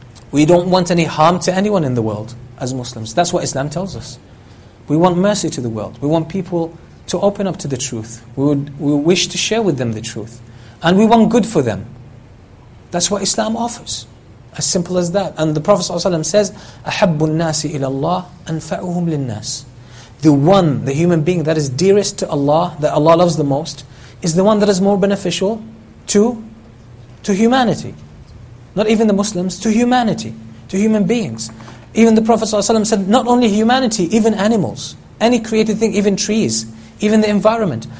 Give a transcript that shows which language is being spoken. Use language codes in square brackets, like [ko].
[en] We don't want any harm to anyone in the world as Muslims. That's what Islam tells us. We want mercy to the world. We want people to open up to the truth. We wish to share with them the truth. And we want good for them. That's what Islam offers. As simple as that. And the Prophet ﷺ says, [ar] أَحَبُّ النَّاسِ إِلَى اللَّهِ أَنْفَعُهُمْ لِلنَّاسِ. [en] The one, the human being that is dearest to Allah, that Allah loves the most, is the one that is more beneficial to humanity. Not even the Muslims, to humanity, to human beings. Even the Prophet ﷺ said, not only humanity, even animals, any created thing, even trees, even the environment.